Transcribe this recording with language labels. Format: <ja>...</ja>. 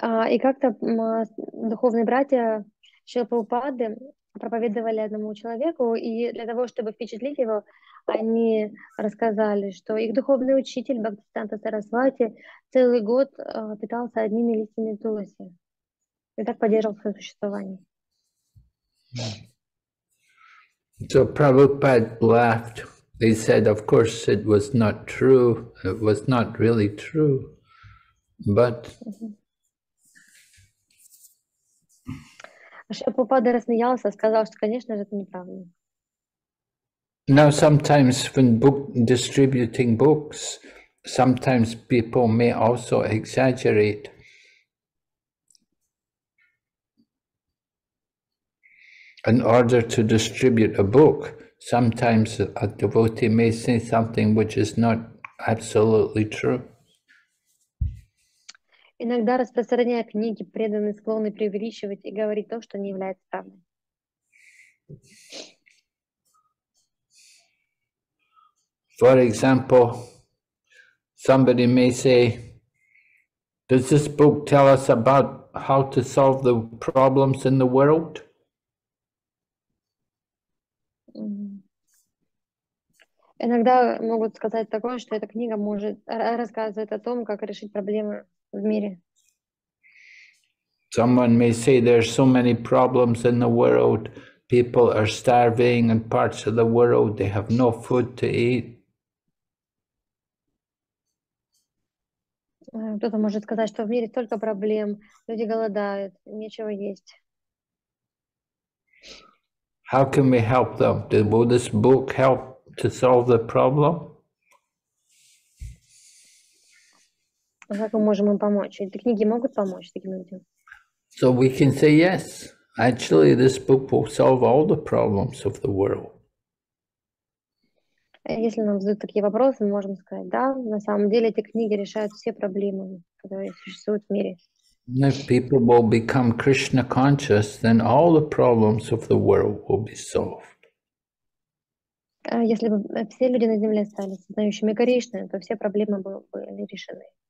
<ru>И как-то духовные братья Шрила Прабхупады проповедовали одному человеку, и для того, чтобы впечатлить его, они рассказали, что их духовный учитель Бхактисиддханта Сарасвати целый год питался одними листьями туласи и так поддерживал свое существование.</ru> <en>So Prabhupada laughed. He said, of course, it was not true. It was not really true. But</en> <ru>Шрила Прабхупада рассмеялся, сказал, что, конечно же, это неправда.</ru> <en>Now, sometimes when book distributing books, sometimes people may also exaggerate. In order to distribute a book, sometimes a devotee may say something which is not Absolutely true.</en> <ru>Иногда распространяя книги, преданные склонны преувеличивать и говорить то, что не является правдой.</ru> <en>For example, somebody may say, does this book tell us about how to solve the problems in the world?</en> <ru>Иногда могут сказать такое, что эта книга может рассказывать о том, как решить проблемы в мире.</ru> <en>Someone may say there are so many problems in the world. People are starving in parts of the world. They have no food to eat.</en> <ru>Кто-то может сказать, что в мире столько проблем. Люди голодают, нечего есть.</ru> <en>How can we help them? Will this book help to solve the problem?</en> <ru>Как мы можем им помочь? Эти книги могут помочь таким людям?</ru> <en>So we can say yes. Actually, this book will solve all the problems of the world.</en> <ru>Если нам задают такие вопросы, мы можем сказать, да, на самом деле эти книги решают все проблемы, которые существуют в мире.</ru> <en>If people will become Krishna conscious, then all the problems of the world will be solved.</en> <ru>Если бы все люди на Земле стали знающими Кришны, то все проблемы бы были решены.</ru>